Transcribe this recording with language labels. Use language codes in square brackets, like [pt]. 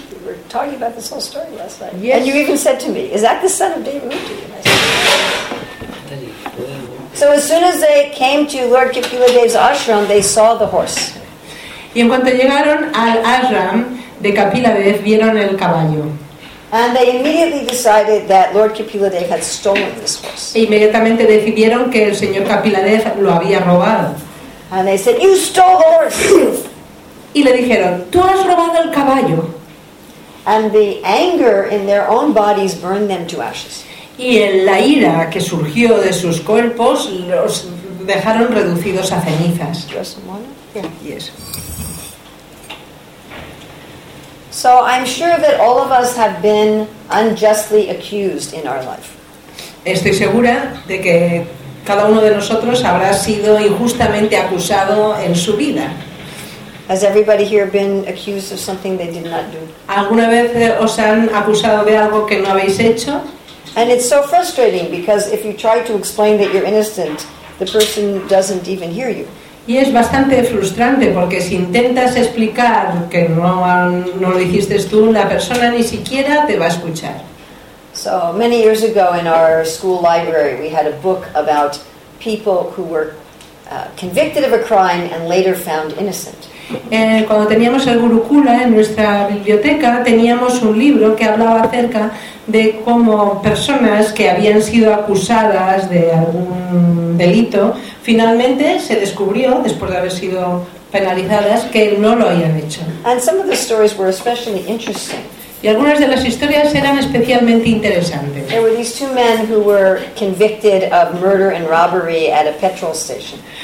[en] were talking about this whole story last night. Yes. And you even said to me, is that the son of David Muti? So as soon as they came to Lord Kapila Dev's ashram, they saw the horse. [es] Y en cuanto llegaron al ashram de Kapila Dev, vieron el caballo. [en] And they immediately decided that Lord Kapila Dev had stolen this horse. [es] E inmediatamente decidieron que el señor Kapila Dev lo había robado. [en] And they said, "You stole the horse." [es] Y le dijeron, "Tú has robado el caballo." [en] And the anger in their own bodies burned them to ashes. [es] Y la ira que surgió de sus cuerpos los dejaron reducidos a cenizas. [en] Just a moment. Yeah. Yes. So I'm sure that all of us have been unjustly accused in our life. [es] Estoy segura de que cada uno de nosotros habrá sido injustamente acusado en su vida. [en] Has everybody here been accused of something they did not do? [es] ¿Alguna vez os han acusado de algo que no habéis hecho? [en] And it's so frustrating because if you try to explain that you're innocent, the person doesn't even hear you. [es] Y es bastante frustrante porque si intentas explicar que no lo hiciste tú, la persona ni siquiera te va a escuchar. [en] So many years ago in our school library we had a book about people who were convicted of a crime and later found innocent. [es] Cuando teníamos el Gurukula en nuestra biblioteca teníamos un libro que hablaba acerca de cómo personas que habían sido acusadas de algún delito finalmente se descubrió, después de haber sido penalizadas, que no lo habían hecho. [en] And some of the stories were especially interesting. [es] Y algunas de las historias eran especialmente interesantes. [en] There were these two men who were convicted of murder and robbery at a petrol station.